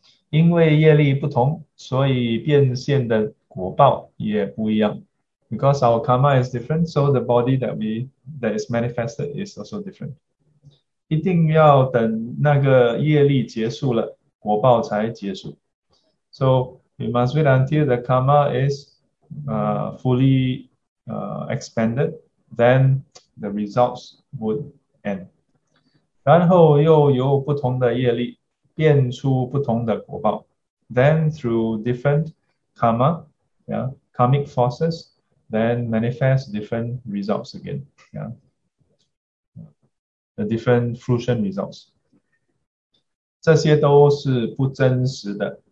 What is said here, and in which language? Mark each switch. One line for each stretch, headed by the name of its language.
Chinese: 因为业力不同，所以变现的果报也不一样。
English: Because our karma is different, so the body that is manifested is also different.
Chinese: 一定要等那个业力结束了，果报才结束。
English: So we must wait until the karma is fully expanded, then the results would end.
Chinese: 然后又有不同的业力，变出不同的果报。
English: Then through different karmic forces, then manifest different results again. The different fruition results.
Chinese: 这些都是不真实的。